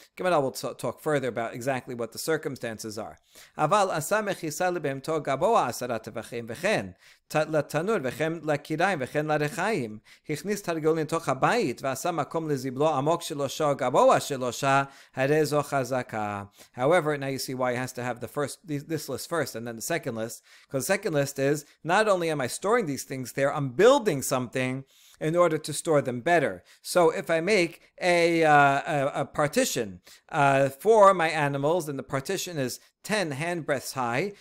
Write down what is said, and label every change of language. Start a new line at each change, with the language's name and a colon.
English: Gemara will talk further about exactly what the circumstances are.
Hebrew: Aval asa mechisa lebehemto gaboa asara tevachim vechen. לתנור וכן לקיריים וכן לרחיים. הכניס תרגולים תוך הבית ועשה מקום לזיבלו עמוק שלושה גבוה שלושה, הרי זו חזקה.
English: However, now you see why he has to have this list first and then the second list. Because the second list is, not only am I storing these things there, I'm building something in order to store them better. So if I make a partition for my animals, then the partition is 10 hand breadths high.